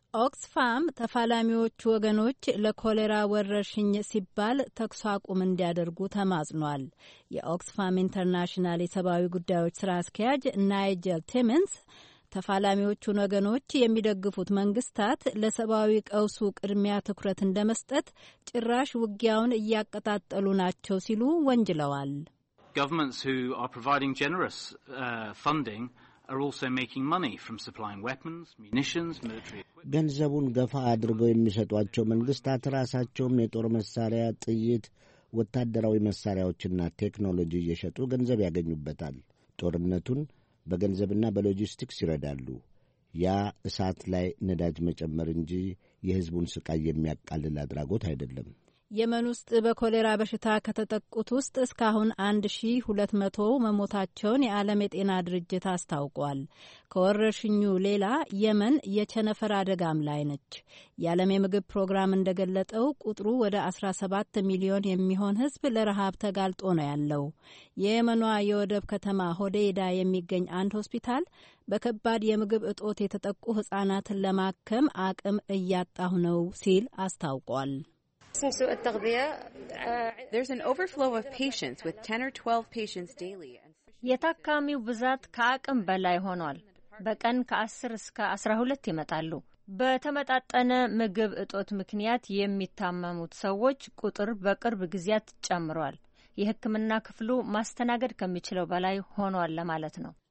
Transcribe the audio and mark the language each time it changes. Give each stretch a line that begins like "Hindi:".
Amharic: ኦክስፋም ተፋላሚዎቹ ወገኖች ለኮሌራ ወረርሽኝ ሲባል ተኩስ አቁም እንዲያደርጉ ተማጽኗል። የኦክስፋም ኢንተርናሽናል የሰብአዊ ጉዳዮች ስራ አስኪያጅ ናይጀል ቲምንስ ተፋላሚዎቹን ወገኖች የሚደግፉት መንግስታት ለሰብአዊ ቀውሱ ቅድሚያ ትኩረት እንደመስጠት ጭራሽ ውጊያውን እያቀጣጠሉ ናቸው ሲሉ ወንጅለዋል።
English: Governments who are providing generous funding are also making money from supplying weapons, munitions, military equipment.
Amharic: ገንዘቡን ገፋ አድርገው የሚሰጧቸው መንግስታት ራሳቸውም የጦር መሳሪያ፣ ጥይት፣ ወታደራዊ መሳሪያዎችና ቴክኖሎጂ እየሸጡ ገንዘብ ያገኙበታል። ጦርነቱን በገንዘብና በሎጂስቲክስ ይረዳሉ። ያ እሳት ላይ ነዳጅ መጨመር እንጂ የህዝቡን ስቃይ የሚያቃልል አድራጎት አይደለም። የመን ውስጥ በኮሌራ በሽታ ከተጠቁት ውስጥ እስካሁን 1200 መሞታቸውን የዓለም የጤና ድርጅት አስታውቋል። ከወረርሽኙ ሌላ የመን የቸነፈር አደጋም ላይ ነች። የዓለም የምግብ ፕሮግራም እንደገለጠው ቁጥሩ ወደ 17 ሚሊዮን የሚሆን ህዝብ ለረሃብ ተጋልጦ ነው ያለው። የየመኗ የወደብ ከተማ ሆዴይዳ የሚገኝ አንድ ሆስፒታል በከባድ የምግብ እጦት የተጠቁ ህጻናትን ለማከም አቅም እያጣሁ ነው ሲል አስታውቋል።
English: There's an overflow of patients with 10 or 12 patients daily.
Amharic: የታካሚው ብዛት ከአቅም በላይ ሆኗል። በቀን ከ10 እስከ 12 ይመጣሉ። በተመጣጠነ ምግብ እጦት ምክንያት የሚታመሙት ሰዎች ቁጥር በቅርብ ጊዜያት ጨምሯል። የህክምና ክፍሉ ማስተናገድ ከሚችለው በላይ ሆኗል ለማለት ነው።